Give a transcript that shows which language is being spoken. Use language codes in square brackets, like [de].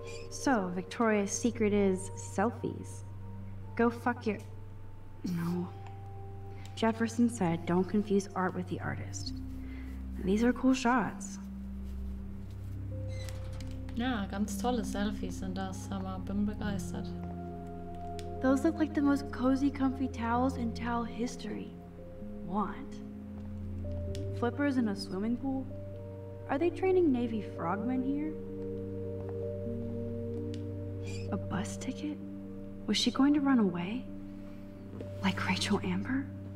[en] So, Victoria's secret is selfies. Go fuck your... No. Jefferson said, don't confuse art with the artist. These are cool shots. [de] Ja, ganz tolle Selfies sind das, aber bin begeistert. [en] Those look like the most cozy, comfy towels in towel history. What? Flippers in a swimming pool? Are they training Navy frogmen here? A bus ticket? Was she going to run away? Like Rachel Amber?